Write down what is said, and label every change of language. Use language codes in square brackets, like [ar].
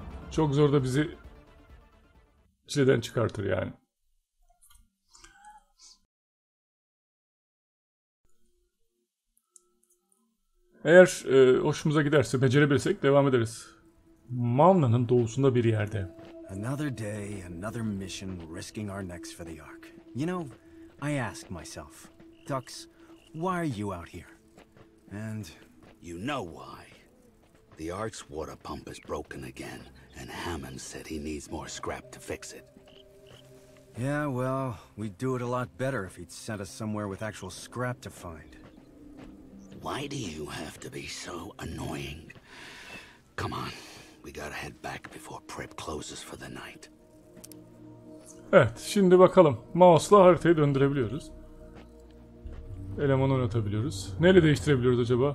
[tr] Çok zor da bizi çileden çıkartır yani. Eğer hoşumuza giderse, becerebilirsek devam ederiz. Mavna'nın doğusunda bir yerde. [en] Another day, another mission, risking our necks for the Ark. You know, I ask myself, Dux, why are you out here? And you know why. The Ark's water pump is broken again, and Hammond said he needs more scrap to fix it. Yeah, well, we'd do it a lot better if he'd sent us somewhere with actual scrap to find. Why do you have to be so annoying? Come on, we gotta head back before Prip closes for the night. [tr] Evet, şimdi bakalım. Mouse'la haritayı döndürebiliyoruz. Elemanı oynatabiliyoruz. Neyle değiştirebiliyoruz acaba?